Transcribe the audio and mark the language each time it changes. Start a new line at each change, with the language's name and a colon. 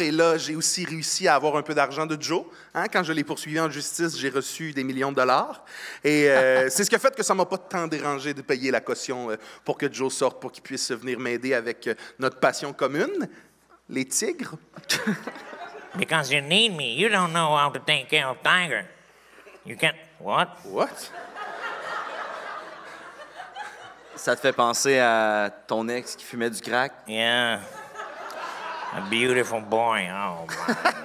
French: Et là, j'ai aussi réussi à avoir un peu d'argent de Joe. Hein? Quand je l'ai poursuivi en justice, j'ai reçu des millions de dollars. Et c'est ce qui a fait que ça ne m'a pas tant dérangé de payer la caution pour que Joe sorte, pour qu'il puisse venir m'aider avec notre passion commune, les tigres.
English: Because you need me, you don't know how to take care of Tiger. You can't... What? What?
French: Ça te fait penser à ton ex qui fumait du crack?
English: Yeah. A beautiful boy, oh my God.